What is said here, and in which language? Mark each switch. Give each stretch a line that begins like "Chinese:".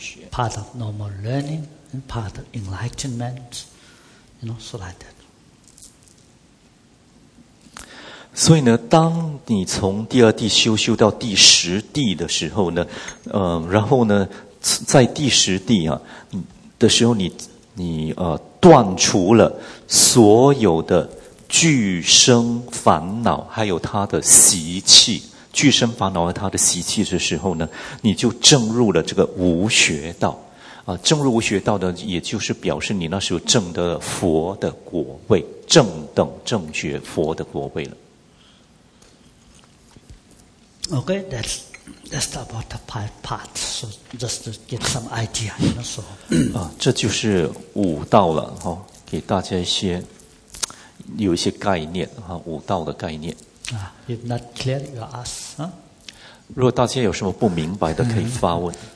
English: Part of normal learning and part of enlightenment. You know, so like that.
Chinese: 所以呢，当你从第二地修到第十地的时候呢，然后呢，在第十地啊的时候你断除了所有的具生烦恼还有他的习气，具生烦恼和他的习气的时候呢，你就证入了这个无学道啊，证入无学道呢，也就是表示你那时候证得佛的果位，正等正觉佛的果位了。
English: Okay, that's about the five parts, so just to get some idea, you know, so.
Chinese: 这就是五道了，哦，给大家有一些概念，哦，五道的概念。
English: If not clear, you ask, huh?
Chinese: 如果大家有什么不明白的，可以发问。